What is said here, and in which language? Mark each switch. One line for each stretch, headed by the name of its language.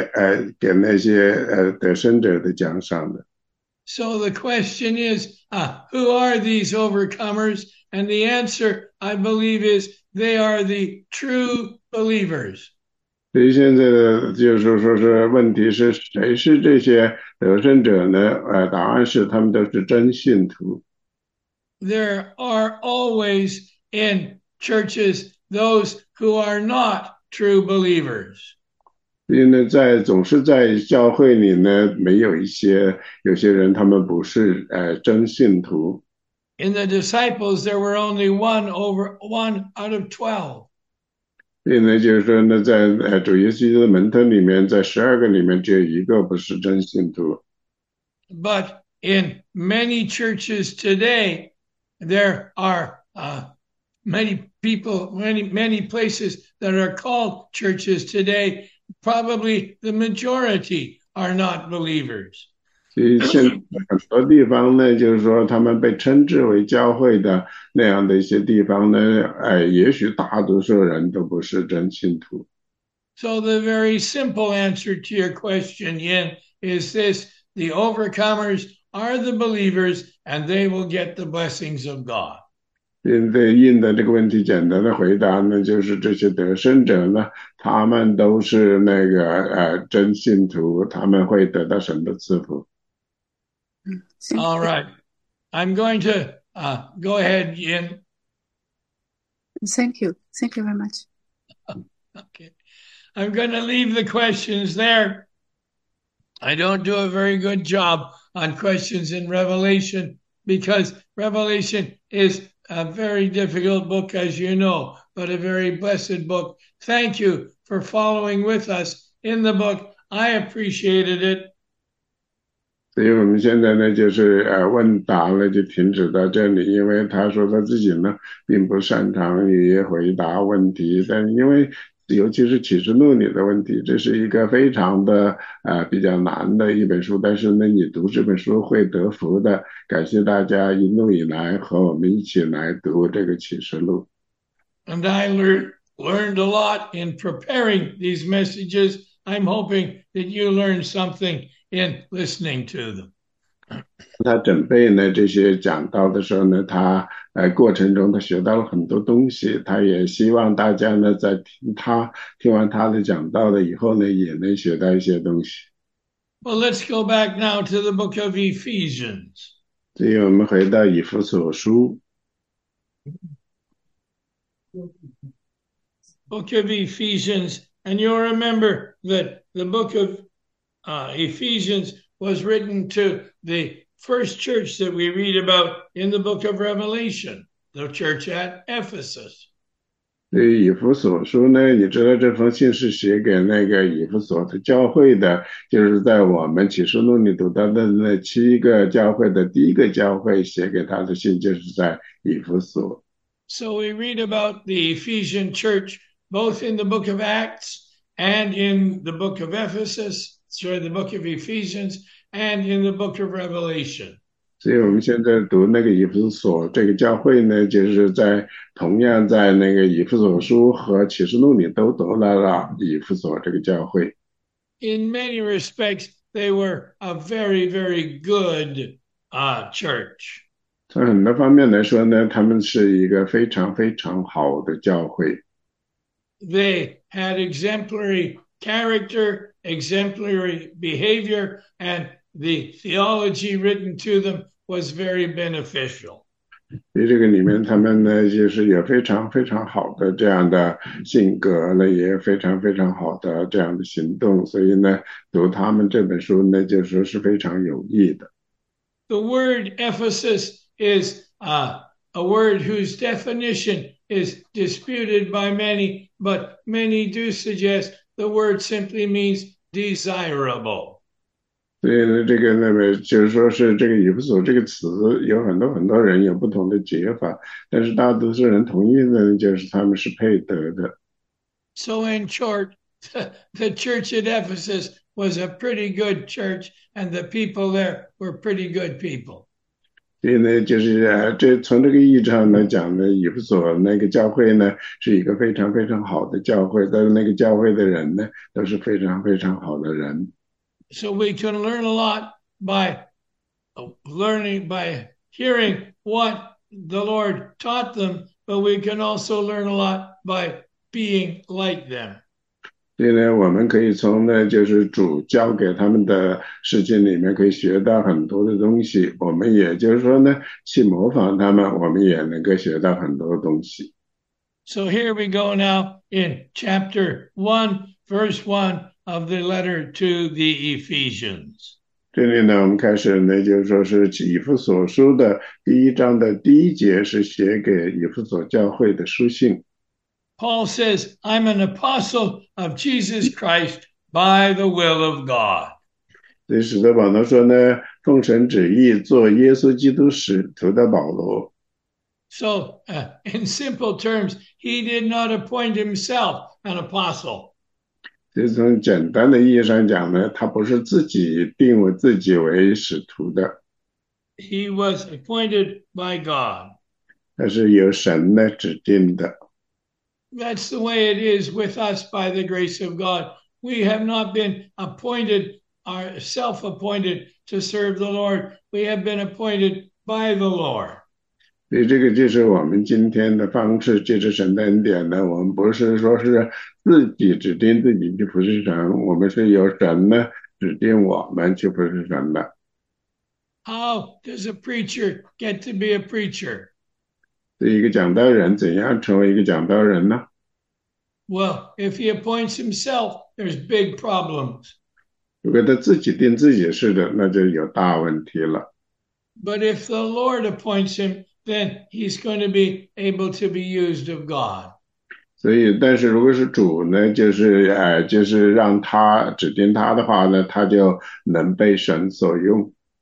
Chinese: 就是在第三章里，我们读到了更多的，就是说是那样的细节关于给那些得胜者的奖赏的。
English: So the question is, who are these overcomers? And the answer, I believe, is they are the true believers.
Chinese: 所以现在的就是说是问题是谁是这些得胜者呢？答案是他们都是真信徒。
English: There are always in churches those who are not true believers.
Chinese: 因为总是在教会里呢，没有有些人，他们不是真信徒。
English: In the disciples, there were only one out of 12.
Chinese: 因为就是说呢，在主耶稣的门徒里面，在12个里面，只有一个不是真信徒。
English: But in many churches today, there are many people, many places that are called churches today. Probably the majority are not believers.
Chinese: 所以现在很多地方呢，就是说他们被称之为教会的那样的一些地方呢，也许大多数人都不是真信徒。
English: So the very simple answer to your question, Yin, is this: the overcomers are the believers, and they will get the blessings of God.
Chinese: 印的这个问题简单的回答呢，就是这些得胜者呢，他们都是真信徒，他们会得到神的赐福。
English: Thank All you. right. I'm going to go ahead, Yin. Thank you. Thank you very much. Okay. I'm going to leave the questions there. I don't do a very good job on questions in Revelation because Revelation is a very difficult book, as you know, but a very blessed book. Thank you for following with us in the book. I appreciated it.
Chinese: 所以我们现在呢，就是问答呢就停止到这里，因为他说他自己呢并不擅长于回答问题，但因为尤其是启示录里的问题，这是一个非常的比较难的一本书，但是呢你读这本书会得福的，感谢大家一路以来和我们一起来读这个启示录。
English: And I learned a lot in preparing these messages. I'm hoping that you learned something in listening to them.
Chinese: 他准备呢这些讲道的时候呢，他过程中他学到了很多东西，他也希望大家呢在听完他的讲道了以后呢，也能学到一些东西。
English: Well, let's go back now to the book of Ephesians.
Chinese: 所以我们回到以弗所书。
English: Book of Ephesians, and you'll remember that the book of Ephesians was written to the first church that we read about in the book of Revelation, the church at Ephesus.
Chinese: 对于以弗所书呢，你知道这封信是写给那个以弗所的教会的，就是在我们启示录里读到的那7个教会的第一个教会写给他的信，就是在以弗所。
English: So we read about the Ephesian church both in the book of Acts and in the book of Ephesus, sorry, the book of Ephesians, and in the book of Revelation.
Chinese: 所以我们现在读那个以弗所这个教会呢，就是在同样在那个以弗所书和启示录里都读到了以弗所这个教会。
English: In many respects, they were a very, very good church.
Chinese: 从很多方面来说呢，他们是一个非常非常好的教会。
English: They had exemplary character, exemplary behavior, and the theology written to them was very beneficial.
Chinese: 所以这个里面，他们呢，就是有非常非常好的这样的性格呢，也有非常非常好的这样的行动，所以呢，读他们这本书呢，就说是非常有益的。
English: The word Ephesus is a word whose definition is disputed by many, but many do suggest the word simply means desirable.
Chinese: 所以呢，这个那个就是说是这个以弗所这个词，有很多人有不同的解法，但是大多数人同意的呢，就是他们是配得的。
English: So, in short, the church at Ephesus was a pretty good church, and the people there were pretty good people.
Chinese: 所以呢，就是这从这个意义上来讲呢，以弗所那个教会呢，是一个非常非常好的教会，但是那个教会的人呢，都是非常非常好的人。
English: So we can learn a lot by learning by hearing what the Lord taught them, but we can also learn a lot by being like them.
Chinese: 所以呢，我们可以从呢，就是主教给他们的事情里面可以学到很多的东西。我们也就是说呢，去模仿他们，我们也能够学到很多东西。
English: So here we go now in chapter 1, verse 1 of the letter to the Ephesians.
Chinese: 这里呢，我们开始呢，就是说是以弗所书的第一章的第一节是写给以弗所教会的书信。
English: Paul says, I'm an apostle of Jesus Christ by the will of God.
Chinese: 这使得保罗说呢，奉神旨意做耶稣基督使徒的保罗。
English: So, in simple terms, he did not appoint himself an apostle.
Chinese: 这从简单的意义上讲呢，他不是自己定为自己为使徒的，
English: He was appointed by God.
Chinese: 他是由神呢指定的。
English: That's the way it is with us by the grace of God. We have not been appointed, or self-appointed to serve the Lord. We have been appointed by the Lord.
Chinese: 所以这个就是我们今天的方式，就是神的恩典呢。我们不是说是自己指定自己去服侍神，我们是由神呢指定我们去服侍神的。
English: How does a preacher get to be a preacher?
Chinese: 对一个讲道人，怎样成为一个讲道人呢？
English: Well, if he appoints himself, there's big problems.
Chinese: 如果他自己定自己是的，那就有大问题了。
English: But if the Lord appoints him, then he's going to be able to be used of God.
Chinese: 所以，但是如果是主呢，就是让他指定他的话呢，他就能被神所用。